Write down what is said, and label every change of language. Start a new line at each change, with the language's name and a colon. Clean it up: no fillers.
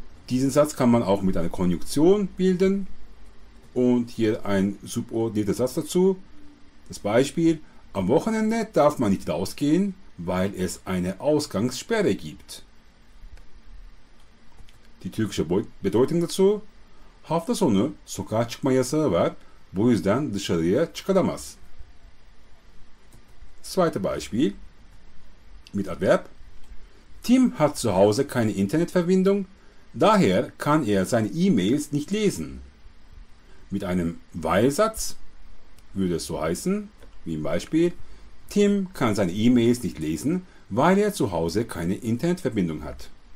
German: Diesen Satz kann man auch mit einer Konjunktion bilden. Und hier ein subordinierter Satz dazu. Das Beispiel: Am Wochenende darf man nicht rausgehen, weil es eine Ausgangssperre gibt. Die türkische Bedeutung dazu:
Turkish: Hafta sonu sokağa çıkma yasağı var, bu yüzden dışarıya çıkaramaz.
German: Zweites Beispiel mit Adverb: Tim hat zu Hause keine Internetverbindung, daher kann er seine E-Mails nicht lesen. Mit einem Weilsatz würde es so heißen, wie im Beispiel: Tim kann seine E-Mails nicht lesen, weil er zu Hause keine Internetverbindung hat.